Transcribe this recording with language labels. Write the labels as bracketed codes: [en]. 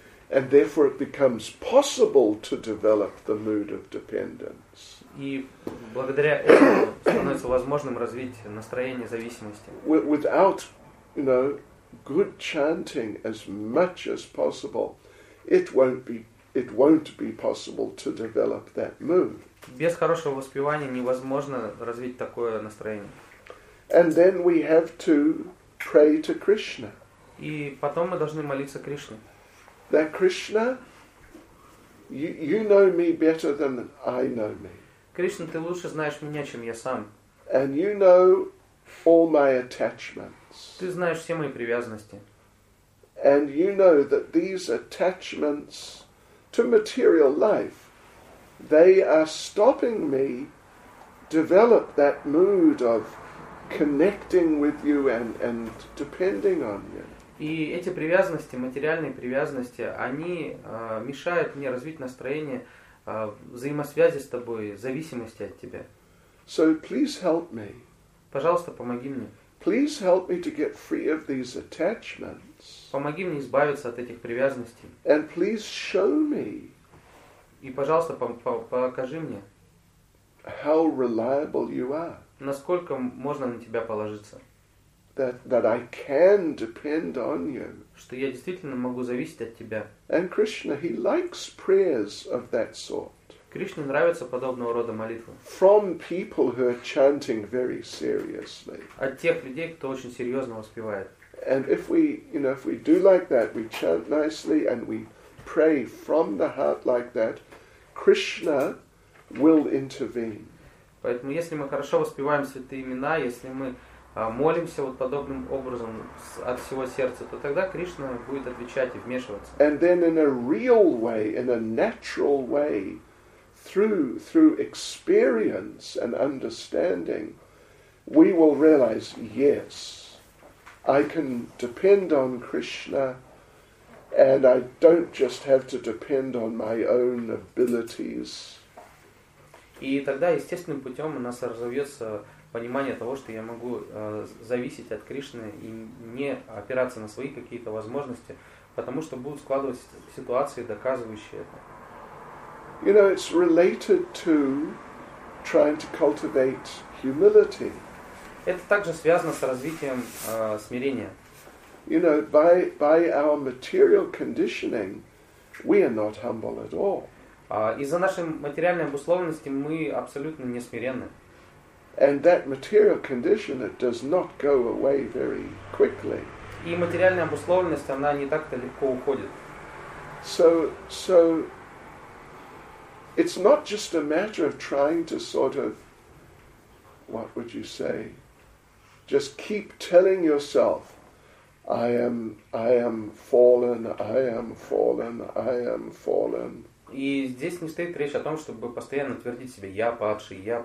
[en] And therefore it becomes possible to develop the mood of dependence. [ru] И благодаря этому становится возможным развить настроение зависимости. [en] Without, you know, good chanting as much as possible, it won't be possible to develop that mood. [ru] Без хорошего воспевания невозможно развить такое настроение. [en] And then we have to pray to Krishna. [ru] И потом мы должны молиться Кришне. [en] That Krishna, you know me better than I know me. [ru] Кришна, ты лучше знаешь меня, чем я сам. [en] And you know all my attachments. [ru] Ты знаешь все мои привязанности. [en] And you know that these attachments to material life, they are stopping me develop that mood of connecting with you and depending on you. [ru] И эти привязанности, материальные привязанности, они мешают мне развить настроение взаимосвязи с тобой, зависимости от тебя. [en] So please help me. [ru] Пожалуйста, помоги мне. [en] Please help me to get free of these attachments. [ru] Помоги мне избавиться от этих привязанностей. [en] And please show me. [ru] И, пожалуйста, покажи мне. [en] How reliable you are. [ru] Насколько можно на тебя положиться. [en] That I can depend on you. [ru] Что я действительно могу зависеть от тебя. [en] And Krishna, he likes prayers of that sort. [ru] Кришне нравятся подобного рода молитвы. [en] From people who are chanting very seriously. [ru] От тех людей, кто очень серьезно воспевает. [en] And if we, you know, if we do like that, we chant nicely and we pray from the heart like that, Krishna will intervene. [ru] Поэтому, если мы хорошо воспеваем святые имена, если мы молимся вот подобным образом от всего сердца, то тогда Кришна будет отвечать и вмешиваться. [en] And then in a real way, in a natural way, through experience and understanding, we will realize, yes, I can depend on Krishna, and I don't just have to depend on my own abilities. [ru] И тогда естественным путем у нас разовьется понимание того, что я могу зависеть от Кришны и не опираться на свои какие-то возможности, потому что будут складываться ситуации, доказывающие это. [en] You know, it's related to trying to cultivate humility. [ru] Это также связано с развитием смирения. [en] You know, by our material conditioning, we are not humble at all. [ru] Из-за нашей материальной обусловленности мы абсолютно не смиренны. [en] And that material condition, it does not go away very quickly. [ru] И материальная обусловленность, она не так-то легко уходит. [en] So it's not just a matter of trying to sort of, what would you say, just keep telling yourself, I am fallen. [ru] И здесь не стоит речь о том, чтобы постоянно твердить себе «я падший».